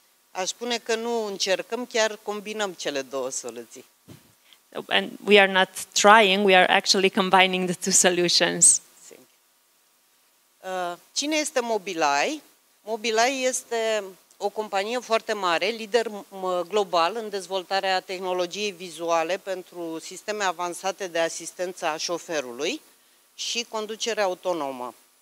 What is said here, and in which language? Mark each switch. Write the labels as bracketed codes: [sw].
[ro] Aș spune că nu încercăm, chiar combinăm cele două soluții. [en] And we are not trying, we are actually combining the two solutions. [ro] Cine este Mobileye? Mobileye este o companie foarte mare, lider global în dezvoltarea tehnologiei vizuale pentru sisteme avansate de asistență a șoferului și conducere autonomă.